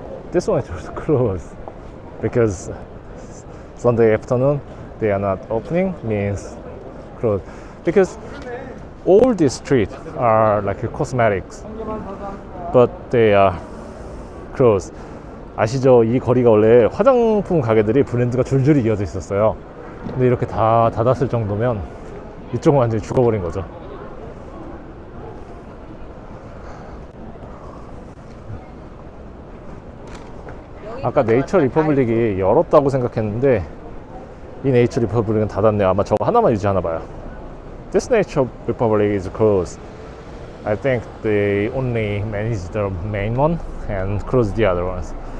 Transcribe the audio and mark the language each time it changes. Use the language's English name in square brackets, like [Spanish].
[English] This one is closed because Sunday afternoon, they are not opening, means closed. Because all these streets are like cosmetics, but they are closed. [Korean] 아시죠? 이 거리가 원래 화장품 가게들이 브랜드가 줄줄이 이어져 있었어요. 근데 이렇게 다 닫았을 정도면 이쪽은 완전히 죽어버린 거죠. 아까 네이처 리퍼블릭이 열었다고 생각했는데 이 네이처 리퍼블릭은 닫았네요. 아마 저거 하나만 유지하나봐요. [English] This nature republic is closed. I think they only manage the main one and close the other ones.